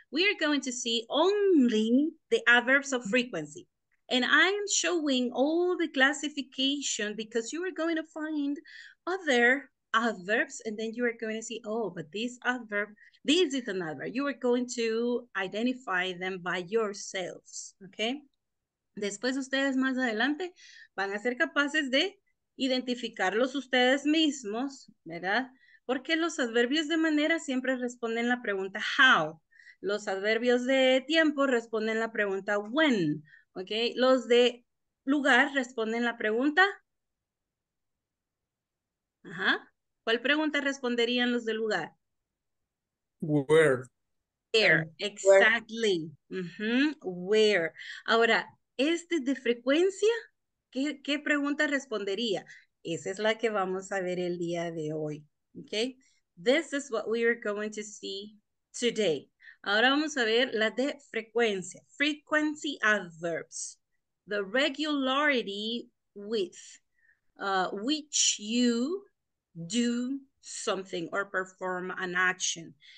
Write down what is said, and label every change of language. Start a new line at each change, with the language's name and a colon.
English: We are going to see only the adverbs of frequency. And I am showing all the classification because you are going to find other adverbs and then you are going to see, oh, but this adverb, this is an adverb. You are going to identify them by yourselves, okay?
Spanish: Después ustedes más adelante van a ser capaces de identificarlos ustedes mismos, ¿verdad? Porque los adverbios de manera siempre responden la pregunta how. Los adverbios de tiempo responden la pregunta when, ¿ok? Los de lugar responden la pregunta. Ajá. ¿Cuál pregunta responderían los de lugar?
English: Where. Where, exactly. Where. Mm-hmm. Where.
Spanish: Ahora, este de frecuencia, ¿qué pregunta respondería? Esa es la que vamos a ver el día de hoy, ¿ok?
English: This is what we are going to see today. Ahora vamos a ver la de frecuencia. Frequency adverbs. The regularity with which you do something or perform an action.